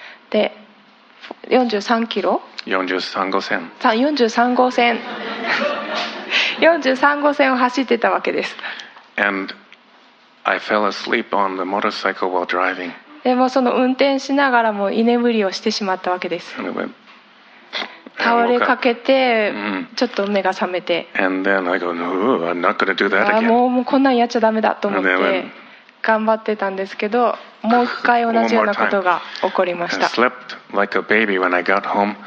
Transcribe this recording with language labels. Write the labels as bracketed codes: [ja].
[ja] で43キロ43号線を走ってたわけです。 [en] And I fell asleep on the motorcycle while driving. [ja] でもその運転しながらも居眠りをしてしまったわけです。倒れかけてちょっと目が覚めて、 [en] And then I go, no, I'm not gonna do that again. [ja] もうこんなんやっちゃダメだと思って頑張ってたんですけど、もう一回同じようなことが起こりました。 [en] I slept like a baby when I got home.